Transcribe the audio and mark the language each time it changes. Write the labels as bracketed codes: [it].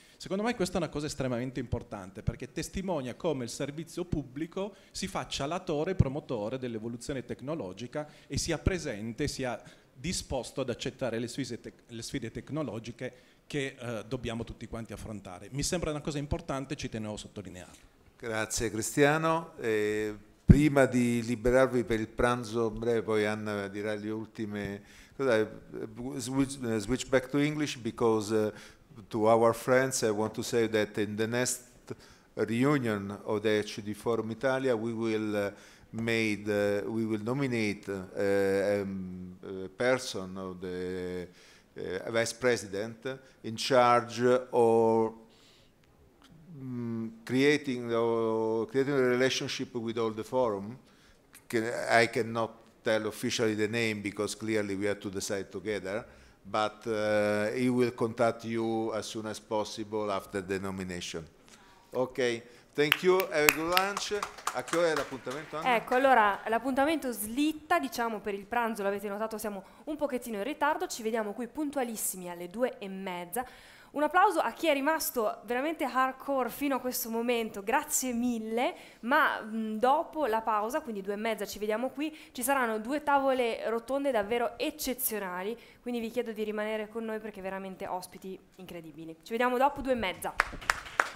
[it] Secondo me questa è una cosa estremamente importante perché testimonia come il servizio pubblico si faccia latore e promotore dell'evoluzione tecnologica e sia presente, sia disposto ad accettare le sfide tecnologiche che dobbiamo tutti quanti affrontare. Mi sembra una cosa importante e ci tenevo a sottolinearlo. Grazie Cristiano. Prima di liberarvi per il pranzo breve, poi Anna dirà le ultime cose. [en] Switch back to English because to our friends I want to say that in the next reunion of the HD Forum Italia we will nominate a person of the a vice president in charge or creating a relationship with all the forum. I cannot tell officially the name because clearly we have to decide together, but he will contact you as soon as possible after the nomination. Ok, thank you, have a good lunch. A che ora è l'appuntamento, Anna? [it] Ecco, allora, l'appuntamento slitta, diciamo, per il pranzo, l'avete notato, siamo un pochettino in ritardo, ci vediamo qui puntualissimi alle 2:30. Un applauso a chi è rimasto veramente hardcore fino a questo momento, grazie mille, ma dopo la pausa, quindi 2:30 ci vediamo qui, ci saranno due tavole rotonde davvero eccezionali, quindi vi chiedo di rimanere con noi perché veramente ospiti incredibili. Ci vediamo dopo 2:30.